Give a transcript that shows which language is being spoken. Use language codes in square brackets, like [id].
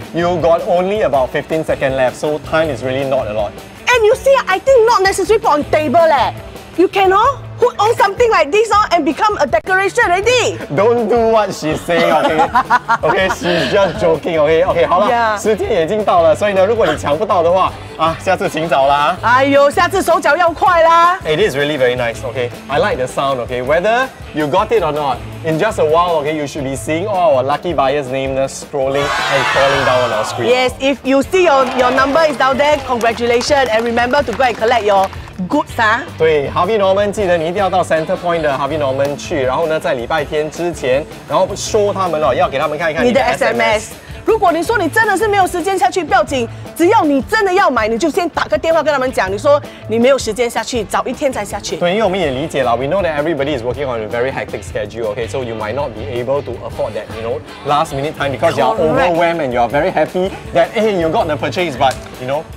[en] You got only about 15 seconds left, so time is really not a lot. And you see, I think not necessary for on table leh. You can put on something like this and become a decoration already. Don't do what she's saying, okay? Okay, she's just joking, okay? Okay, [zh] 好了， [en] yeah. [zh] 时间已经到了，所以呢，如果你抢不到的话，啊，下次请早啦。哎呦，下次手脚要快啦。 [en] It is really very nice, okay? I like the sound, okay? Whether you got it or not, in just a while, okay, you should be seeing all our lucky buyers' names scrolling and crawling down on our screen. Yes, if you see your number is down there, congratulations, and remember to go and collect your... Good, sir. [zh] 对 ，Harvey Norman， 记得你一定要到 Center Point 的 Harvey Norman 去，然后呢，在礼拜天之前，然后说他们哦，要给他们看一看你的 SMS。如果你说你真的是没有时间下去，不要紧，只要你真的要买，你就先打个电话跟他们讲，你说你没有时间下去，早一天才下去。对，因为我们也理解了 [en] ，We know that everybody is working on a very hectic schedule. Okay, so you might not be able to afford that, you know, last minute time because you are overwhelmed and you are very happy that hey, you got the purchase, but you know.